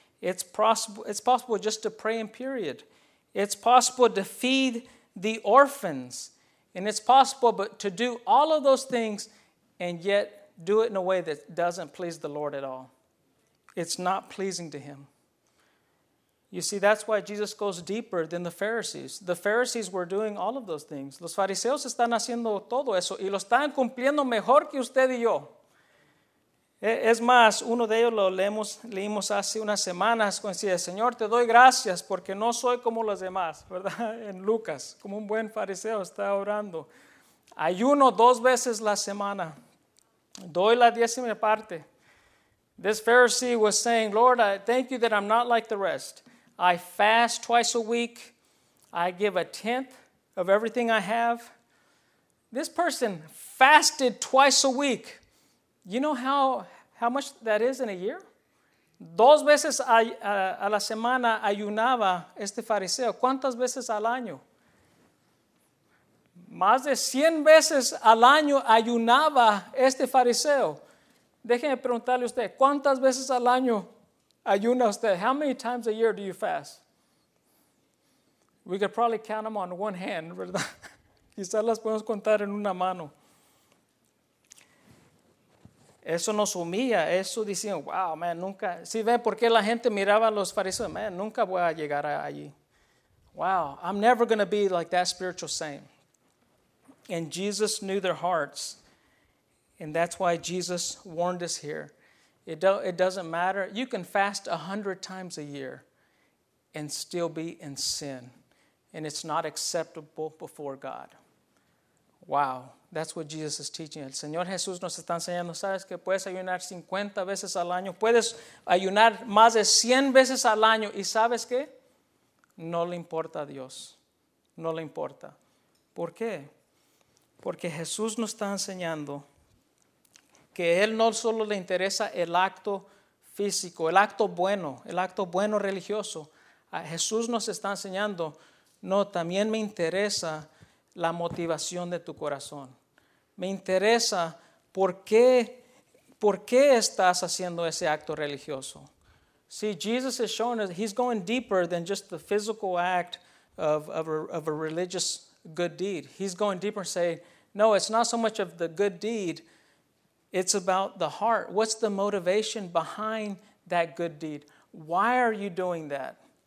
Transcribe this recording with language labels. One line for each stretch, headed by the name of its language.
English: It's possible just to pray in period. It's possible to feed the orphans. And it's possible but to do all of those things and yet do it in a way that doesn't please the Lord at all. It's not pleasing to him. You see, that's why Jesus goes deeper than the Pharisees. The Pharisees were doing all of those things.
Spanish: Los fariseos están haciendo todo eso y lo están cumpliendo mejor que usted y yo. Es más, uno de ellos lo leímos hace unas semanas cuando decía: Señor, te doy gracias porque no soy como los demás, ¿verdad? En Lucas, como un buen fariseo está orando. Ayuno dos veces la semana. Doy la décima parte.
English: This Pharisee was saying, Lord, I thank you that I'm not like the rest. I fast twice a week. I give a tenth of everything I have. This person fasted twice a week. You know how much that is in a year?
Spanish: Dos veces a la semana ayunaba este fariseo. ¿Cuántas veces al año? Más de 100 veces al año ayunaba este fariseo. Déjeme preguntarle a usted, ¿cuántas veces al año ayuna usted?
English: How many times a year do you fast? We could probably count them on one hand,
Spanish: ¿verdad? Quizás las podemos contar en una mano. Eso nos humilla, eso diciendo, wow, man, nunca. Si ve por qué la gente miraba a los fariseos, man, nunca voy a llegar allí.
English: Wow, I'm never going to be like that spiritual saint. And Jesus knew their hearts. And that's why Jesus warned us here. It doesn't matter. You can fast 100 times a year and still be in sin. And it's not acceptable before God. Wow. That's what Jesus is teaching.
Spanish: El Señor Jesús nos está enseñando. ¿Sabes que puedes ayunar 50 veces al año? Puedes ayunar más de 100 veces al año. ¿Y sabes qué? No le importa a Dios. No le importa. ¿Por qué? Porque Jesús nos está enseñando que él no solo le interesa el acto físico, el acto bueno religioso. Jesús nos está enseñando, no, también me interesa la motivación de tu corazón. Me interesa por qué estás haciendo ese acto religioso.
English: See, Jesus is showing us, he's going deeper than just the physical act of a religious good deed. He's going deeper and saying, no, it's not so much of the good deed, it's about the heart. What's the motivation behind that good deed? Why are you doing that?